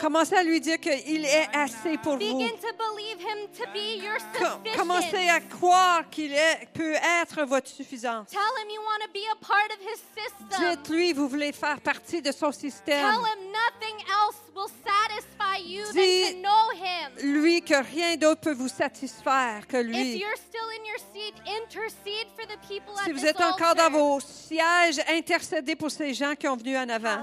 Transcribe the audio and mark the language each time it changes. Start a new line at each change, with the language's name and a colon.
French: Commencez à lui dire qu'il est assez pour
English: Begin
French: vous.
English: To believe him to be your sufficient.
French: Commencez à croire qu'il peut être votre suffisance.
English: Tell him you want to be a part of his system.
French: Dites-lui vous voulez faire partie de son système.
English: Tell him him nothing else will satisfy you than to know him.
French: Lui que rien d'autre peut vous satisfaire que lui.
English: If you're still in your seat, intercede for the people at this altar.
French: Si vous êtes encore dans vos sièges, intercédez pour ces gens qui sont venus en avant.